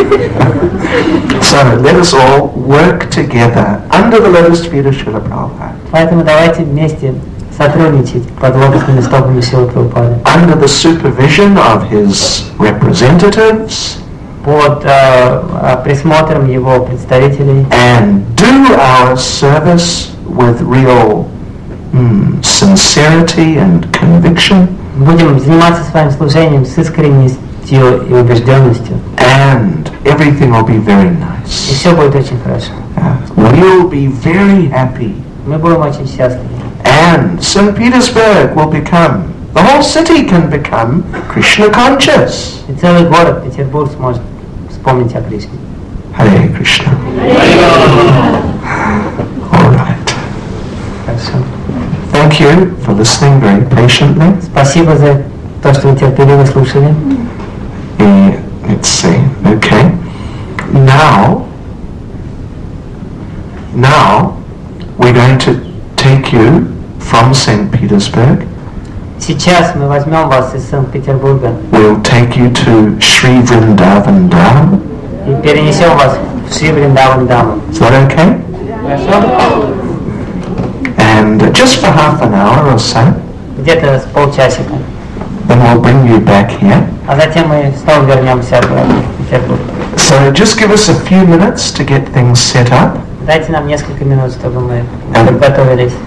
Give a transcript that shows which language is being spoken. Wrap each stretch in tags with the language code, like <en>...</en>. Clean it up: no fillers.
<en>So let us all work together under the lotus feet of Srila Prabhupada.</en> <ru>Поэтому давайте вместе сотрудничать под лотосными стопами Шрилы Прабхупады.</ru> <en>Under the supervision of his representatives.</en> <ru>Под присмотром его представителей.</ru> <en>And do our service with real sincerity and conviction.</en> <ru>Будем заниматься своим служением с искренностью и убежденностью.</ru> <en>And everything will be very nice.</en> <ru>И все будет очень хорошо.</ru> <en>We'll be very happy.</en> <ru>Мы будем очень счастливы.</ru> <en>And St. Petersburg will become, the whole city can become Krishna conscious.</en> <ru>И целый город Петербург сможет вспомнить о Кришне.</ru> <en>Hare Krishna. All right. Thank you for listening very patiently.</en> <ru>Спасибо за то, что вы терпеливо слушали.</ru> <en>Let's see. Okay. Now we're going to take you from St. Petersburg.</en> <ru>Сейчас мы возьмем вас из Санкт-Петербурга.</ru> <en>We'll take you to Sri Vrindavan Dham.</en> <ru>И перенесем вас в Шри Вриндаван Дам.</ru> <en>Is that okay? Yes. And just for half an hour or so.</en> <ru>Где-то с полчасика.</ru> <en>Then we'll bring you back here.</en> <ru>А затем мы снова вернемся в Петербург.</ru> <en>So just give us a few minutes to get things set up.</en> <ru>Дайте нам несколько минут, чтобы мы подготовились.</ru>